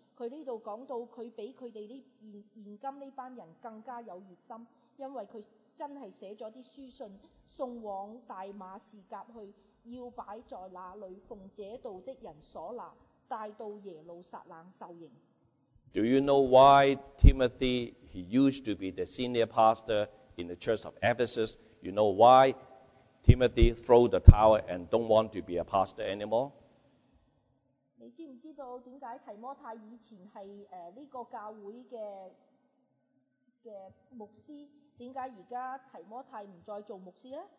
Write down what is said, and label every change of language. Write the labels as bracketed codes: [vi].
[zh] 他这里讲到他比他们现今这班人更加有热心，因为他真的写了些书信送往大马士革去，要摆在那里奉这道的人所拿，带到耶路撒冷受刑。 [en] Do you know why Timothy, he used to be the senior pastor in the church of Ephesus, you know why Timothy throw the towel and don't want to be a pastor anymore? [zh] 你知不知道为什么提摩太以前是这个教会 的牧师，为什么现在提摩太不再做牧师呢？